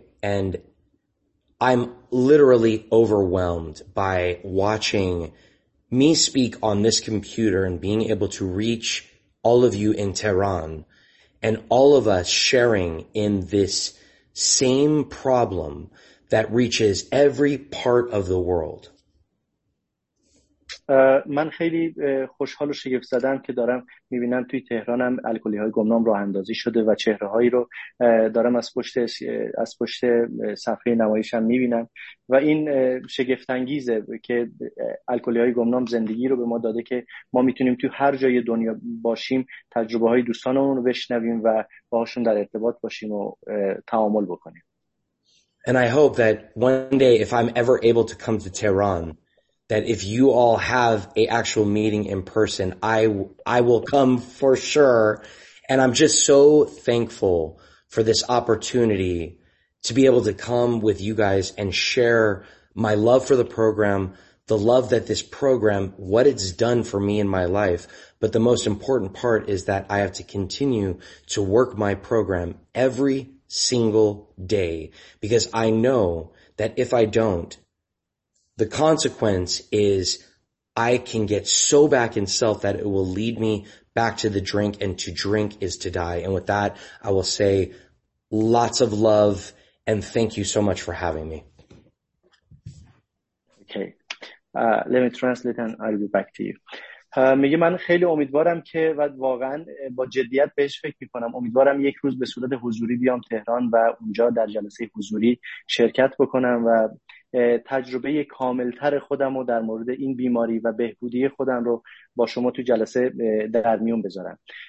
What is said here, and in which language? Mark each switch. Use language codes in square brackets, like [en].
[en] And I'm literally overwhelmed by watching me speak on this computer and being able to reach all of you in Tehran and all of us sharing in this same problem that reaches every part of the world. [fa] من خیلی خوشحال و شگفت زدم که دارم میبینم توی تهرانم الکلی های گمنام راه اندازی شده و چهره هایی رو دارم از پشت صفحه نمایشم میبینم و این شگفت انگیزه که الکلی های گمنام زندگی رو به ما داده که ما میتونیم توی هر جای دنیا باشیم تجربه های دوستانمون رو بشنویم و باهاشون در ارتباط باشیم و تعامل بکنیم. [en] And I hope that one day if I'm ever able to come to Tehran, that if you all have a actual meeting in person, I will come for sure. And I'm just so thankful for this opportunity to be able to come with you guys and share my love for the program, the love that this program, what it's done for me in my life. But the most important part is that I have to continue to work my program every single day, because I know that if I don't, the consequence is I can get so back in self that it will lead me back to the drink, and to drink is to die. And with that, I will say lots of love and thank you so much for having me. Okay. Let me translate and I'll be back to you. [fa] میگه من خیلی امیدوارم که و واقعا با جدیت بهش فکر میکنم، امیدوارم یک روز به صورت حضوری بیام تهران و اونجا در جلسه حضوری شرکت بکنم و تجربه کاملتر خودم رو در مورد این بیماری و بهبودی خودم رو با شما تو جلسه در میون بذارم.